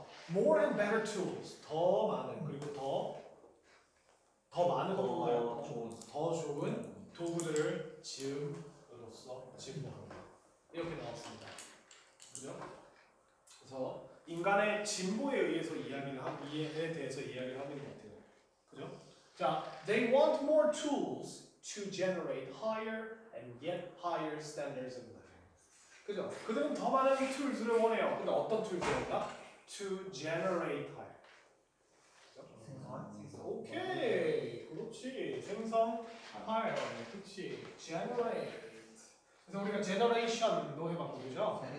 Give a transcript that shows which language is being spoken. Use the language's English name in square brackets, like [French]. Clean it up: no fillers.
[English] more and better tools [Korean] 더 많은 그리고 더 많은 것보다 더 좋은 도구들을 지음으로써 진보한다 이렇게 나왔습니다. 그죠? 그래서 인간의 진보에 의해서 이해에 대해서 이야기를 하는 것 같아요. 그죠? [English] 자, they want more tools to generate higher and yet higher standards of life. [Korean] 그죠? 그들은 더 많은 툴들을 원해요. 근데 어떤 툴들인가? [English] To generate higher. [Korean] 생성. 오케이. 그렇지. 생성. higher. 그렇지. generate. 그래서 우리가 generation도 해봤고, 그죠?